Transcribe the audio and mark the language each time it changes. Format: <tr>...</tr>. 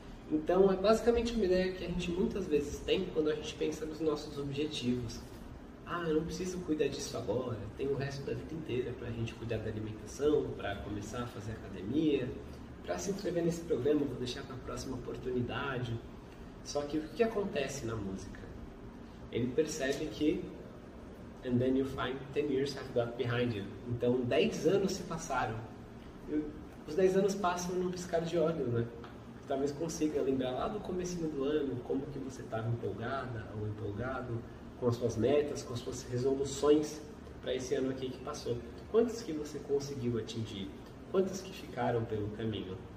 <pt>Então, é basicamente uma ideia que a gente muitas vezes tem quando a gente pensa nos nossos objetivos. Ah, eu não preciso cuidar disso agora, tem o resto da vida inteira pra gente cuidar da alimentação, pra começar a fazer academia, pra se inscrever nesse programa, vou deixar pra próxima oportunidade. Só que o que acontece na música? Ele percebe que</pt> <en>and then you find 10 years have got behind you.</en> <pt>Então, 10 anos se passaram. E os 10 anos passam num piscar de olhos, né? Talvez consiga lembrar lá do comecinho do ano como que você estava empolgada ou empolgado com as suas metas, com as suas resoluções para esse ano aqui que passou. Quantos que você conseguiu atingir? Quantos que ficaram pelo caminho?</pt>